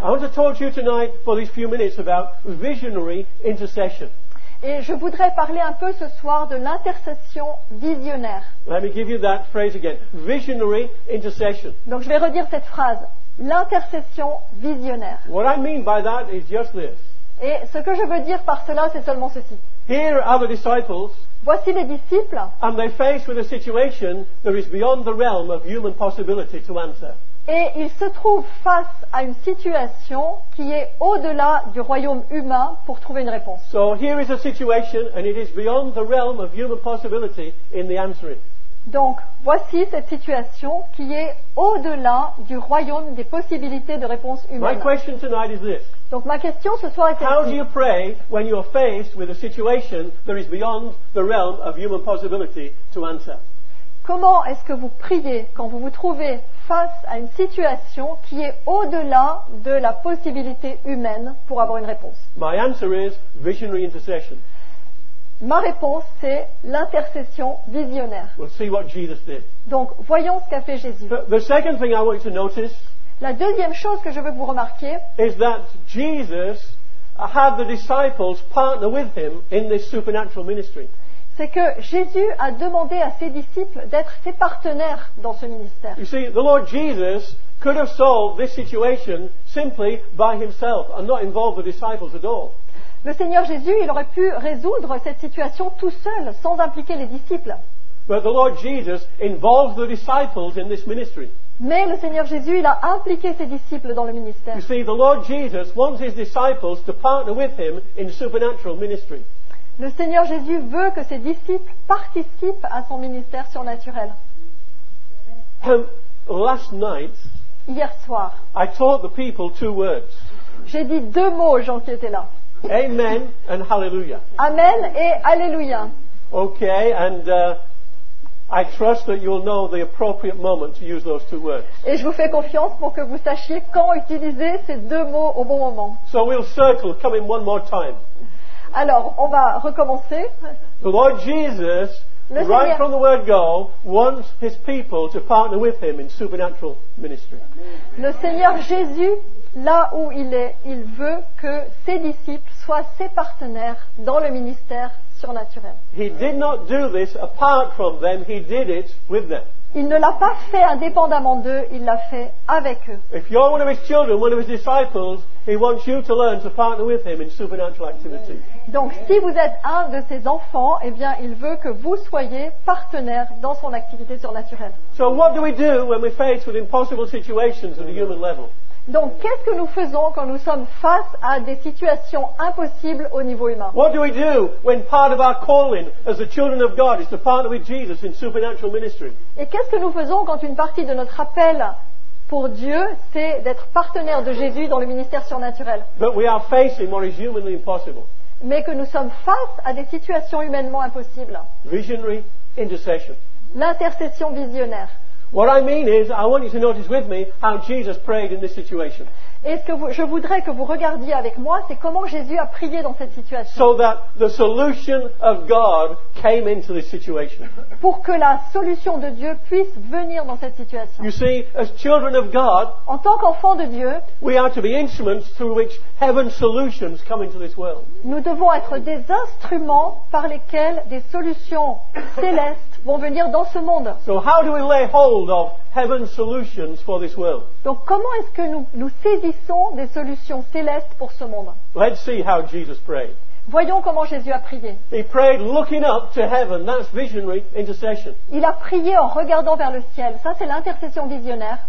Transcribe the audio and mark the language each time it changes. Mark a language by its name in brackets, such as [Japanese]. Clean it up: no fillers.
[English] I want to talk to you tonight for these few minutes about visionary intercession. [French] Et je voudrais parler un peu ce soir de l'intercession visionnaire. [English] Let me give you that phrase again, visionary intercession. [French] Donc je vais redire cette phrase, l'intercession visionnaire. [English] What I mean by that is just this. [French] Et ce que je veux dire par cela, c'est seulement ceci. [English] Here are the disciples. [French] Voici les disciples. [English] And they're faced with a situation that is beyond the realm of human possibility to answer. [French] Et ils se trouvent face à une situation qui est au-delà du royaume humain pour trouver une réponse. [English] So here is a situation, and it is beyond the realm of human possibility in the answering. [French] Donc, voici cette situation qui est au-delà du royaume des possibilités de réponse humaine. [English] My question tonight is this. [French] Donc, ma question ce soir est [English] how do you pray when you are faced with a situation that is beyond the realm of human possibility to answer? [French] Comment est-ce que vous priez quand vous vous trouvez face à une situation qui est au-delà de la possibilité humaine pour avoir une réponse? [English] My answer is visionary intercession. [French] Ma réponse, c'est l'intercession visionnaire. [English] We'll see what Jesus did. [French] Donc, voyons ce qu'a fait Jésus. [English] The second thing I want you to notice, [French] la deuxième chose que je veux vous remarquer, [English] is that Jesus had the disciples partner with him in this supernatural ministry. [French] C'est que Jésus a demandé à ses disciples d'être ses partenaires dans ce ministère. [English] You see, the Lord Jesus could have solved this situation simply by himself and not involve the disciples at all. [French] Le Seigneur Jésus, il aurait pu résoudre cette situation tout seul, sans impliquer les disciples. [English] But the Lord Jesus involves the disciples in this ministry. [French] Mais le Seigneur Jésus, il a impliqué ses disciples dans le ministère. [English] You see, the Lord Jesus wants his disciples to partner with him in supernatural ministry. [French] Le Seigneur Jésus veut que ses disciples participent à son ministère surnaturel. [English] Last night, [French] hier soir, [English] I taught the people two words. [French] J'ai dit deux mots aux gens qui étaient là. [English] Amen and hallelujah. [French] Amen et alléluia. [English] Okay, and I trust that you'll know the appropriate moment to use those two words. [French] Et je vous fais confiance pour que vous sachiez quand utiliser ces deux mots au bon moment. [English] So we'll circle, come in one more time. [French] Alors, on va recommencer. [English] The Lord Jesus, [French] le [English] right [French] Seigneur, [English] from the word go, wants his people to partner with him in supernatural ministry. [French] Le Seigneur Jésus, là où il est, il veut que ses disciples soient ses partenaires dans le ministère surnaturel. [English] He did not do this apart from them, he did it with them. [French] Il ne l'a pas fait indépendamment d'eux, il l'a fait avec eux. [English] If you're one of his children, one of his disciples, he wants you to learn to partner with him in supernatural activity. [French] Donc si vous êtes un de ses enfants, eh bien il veut que vous soyez partenaire dans son activité surnaturelle. [English] So what do we do when we're faced with impossible situations at the human level? [French] Donc, qu'est-ce que nous faisons quand nous sommes face à des situations impossibles au niveau humain? [English] What do we do when part of our calling as the children of God is to partner with Jesus in supernatural ministry? [French] Et qu'est-ce que nous faisons quand une partie de notre appel pour Dieu, c'est d'être partenaire de Jésus dans le ministère surnaturel? [English] But we are facing what is humanly impossible. [French] Mais que nous sommes face à des situations humainement impossibles. [English] Visionary intercession. [French] L'intercession visionnaire. [English] What I mean is, I want you to notice with me how Jesus prayed in this situation. [French] Et ce que vous, je voudrais que vous regardiez avec moi, c'est comment Jésus a prié dans cette situation. [English] So that the solution of God came into this situation. [French] Pour que la solution de Dieu puisse venir dans cette situation. [English] You see, as children of God, [French] en tant qu'enfants de Dieu, [English] we are to be instruments through which heaven's solutions come into this world. [French] Nous devons être des instruments par lesquels des solutions célestes vont venir dans ce monde. [English] So how do we lay hold of heaven's solutions for this world? [French] Donc comment est-ce que nous saisissons des solutions célestes pour ce monde? [English] Let's see how Jesus prayed. [French] Voyons comment Jésus a prié. [English] He prayed looking up to heaven. That's visionary intercession. [French] Il a prié en regardant vers le ciel. Ça c'est l'intercession visionnaire.